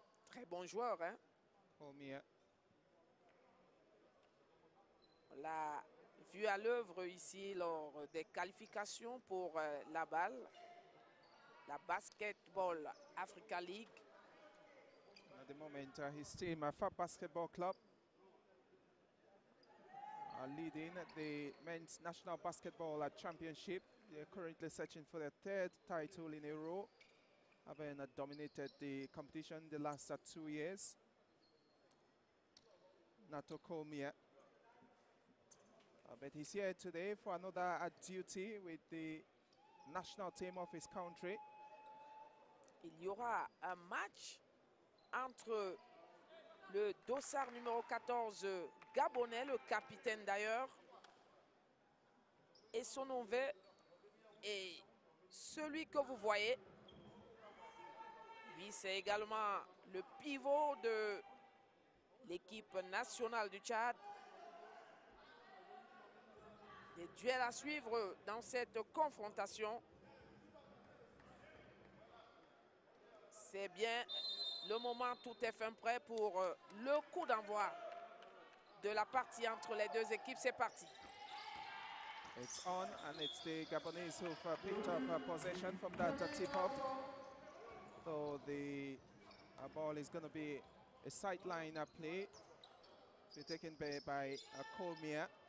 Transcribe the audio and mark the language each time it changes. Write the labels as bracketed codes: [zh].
[fr] Très bon joueur, hein? Kolmia. On l'a vu à l'œuvre ici lors des qualifications pour la balle, la Basketball Africa League. [en] At the moment, his team, FAB Basketball Club, are leading the Men's National Basketball Championship. They are currently searching for their third title in a row, having dominated the competition the last 2 years. Nato Kolmia. But he's here today for another duty with the national team of his country. [fr] Il y aura un match entre le dossard numéro 14 gabonais, le capitaine d'ailleurs, et son nom est et celui que vous voyez. Lui, c'est également le pivot de l'équipe nationale du Tchad. Des duels à suivre dans cette confrontation. C'est bien le moment, tout est fin prêt pour le coup d'envoi de la partie entre les deux équipes. C'est parti. [en] It's on and it's the Gabonese who've picked up possession from that tip-off. So the ball is going to be a sideline play. Be taken by Kolmia.